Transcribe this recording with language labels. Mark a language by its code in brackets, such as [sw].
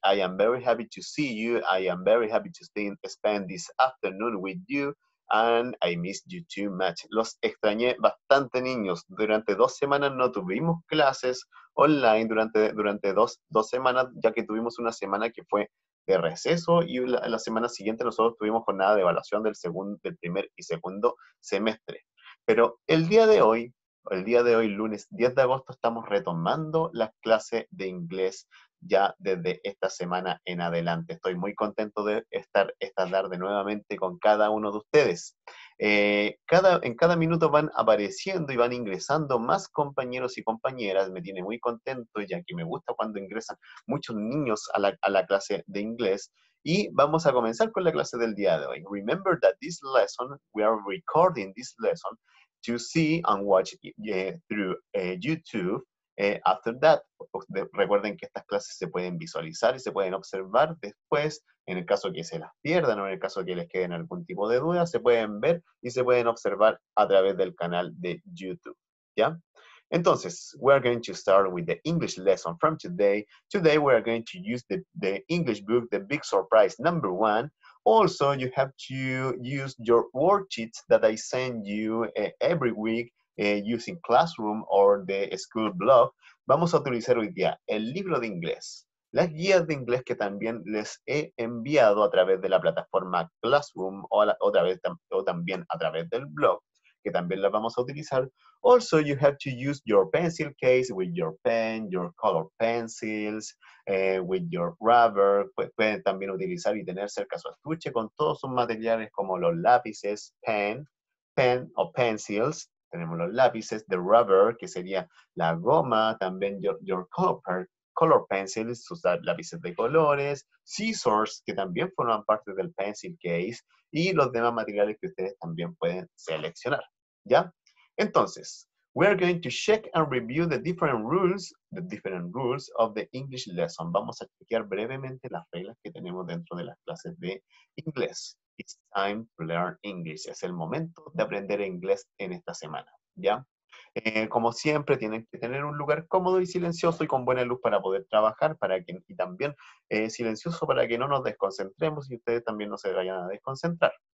[en] I am very happy to see you. I am very happy to spend this afternoon with you. And I missed you too much. [es] Los extrañé bastante, niños. Durante 2 semanas no tuvimos clases online durante dos semanas, ya que tuvimos una semana que fue de receso y la semana siguiente nosotros tuvimos jornada de evaluación del primer y segundo semestre. Pero el día de hoy, lunes 10 de agosto, estamos retomando la clase de inglés ya desde esta semana en adelante. Estoy muy contento de esta tarde nuevamente con cada uno de ustedes. En cada minuto van apareciendo y van ingresando más compañeros y compañeras. Me tiene muy contento, ya que me gusta cuando ingresan muchos niños a la clase de inglés. Y vamos a comenzar con la clase del día de hoy. [en] Remember that this lesson, we are recording this lesson, to see and watch through YouTube after that. [es] Recuerden que estas clases se pueden visualizar y se pueden observar después, en el caso que se las pierdan o en el caso que les queden algún tipo de duda, se pueden ver y se pueden observar a través del canal de YouTube, ¿ya? [en] Entonces, we are going to start with the English lesson from today. Today we are going to use the English book, The Big Surprise, number one. Also, you have to use your worksheets that I send you every week using Classroom or the school blog. [es] Vamos a utilizar hoy día el libro de inglés, las guías de inglés que también les he enviado a través de la plataforma Classroom o también a través del blog, que también las vamos a utilizar. [en] Also, you have to use your pencil case with your pen, your color pencils, with your rubber. [es] Pueden también utilizar y tener cerca su estuche con todos sus materiales como los lápices, pen o pencils. Tenemos los lápices, [en] the rubber, [es] que sería la goma. También [en] your color pencils, [es] sus lápices de colores. Scissors, que también forman parte del pencil case. Y los demás materiales que ustedes también pueden seleccionar, ¿ya? [en] Entonces, we are going to check and review the different rules of the English lesson. [es] Vamos a chequear brevemente las reglas que tenemos dentro de las clases de inglés. [en] It's time to learn English. [es] Es el momento de aprender inglés en esta semana, ¿ya? Como siempre, tienen que tener un lugar cómodo y silencioso y con buena luz para poder trabajar, y también silencioso para que no nos desconcentremos y ustedes también no se vayan a desconcentrar.